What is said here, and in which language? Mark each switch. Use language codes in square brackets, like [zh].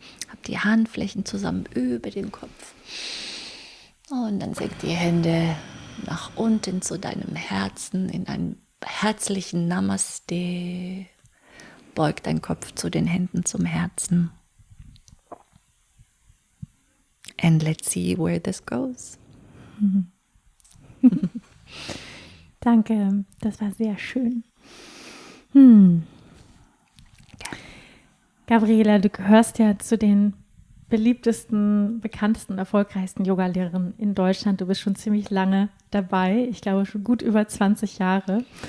[de] Habt die Handflächen zusammen über den Kopf. Und dann senkt die Hände nach unten zu deinem Herzen in einem herzlichen Namaste. Beugt dein Kopf zu den Händen zum Herzen. [en] And let's see where this goes. [de] Danke, das war sehr schön. Gabriela, du gehörst ja zu den beliebtesten, bekanntesten, erfolgreichsten Yogalehrerinnen in Deutschland. Du bist schon ziemlich lange dabei, ich glaube schon gut über 20 Jahre.